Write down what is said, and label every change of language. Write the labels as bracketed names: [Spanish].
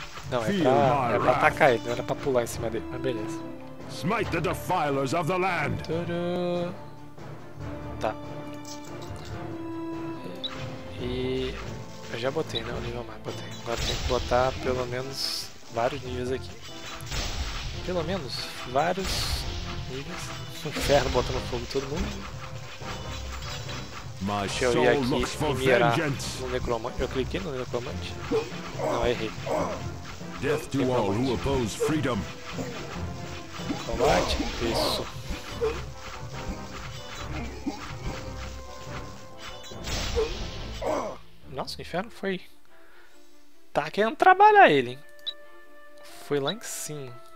[Portuguese] Não, é pra atacar ele, não era pra pular em cima dele, mas beleza. [English] Smite the defilers of the land. [Portuguese] Tudu. Tá. E eu já botei, né? O nível mais botei. Agora tem que botar pelo menos vários níveis aqui. Pelo menos vários níveis. Inferno botando fogo em todo mundo. Deixa eu ir aqui e mirar no necromante. Eu cliquei no necromante. Não, errei. [English] Death to all who oppose freedom. [Portuguese] Combate, isso. Nossa, o inferno foi. Tá querendo trabalhar ele, hein? Foi lá em cima.